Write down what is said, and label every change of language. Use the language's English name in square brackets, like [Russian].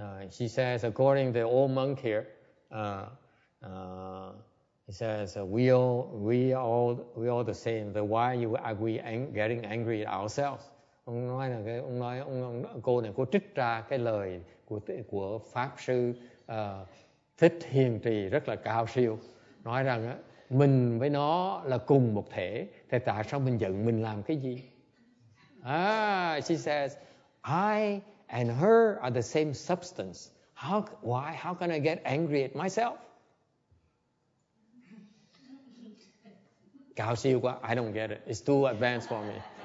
[English] She says, according to the old monk here, he says, we all the same. But why are you getting angry at ourselves? [Vietnamese] Ông nói là cái ông nói ông cô này cô trích ra cái lời của pháp sư Thích Hiền Trì rất là cao siêu, nói rằng mình với nó là cùng một thể, thì tại sao mình giận mình làm cái gì? [English] She says, I and her are the same substance. How can I get angry at myself? [Vietnamese] Cao siêu quá. [English] I don't get it. It's too advanced for me.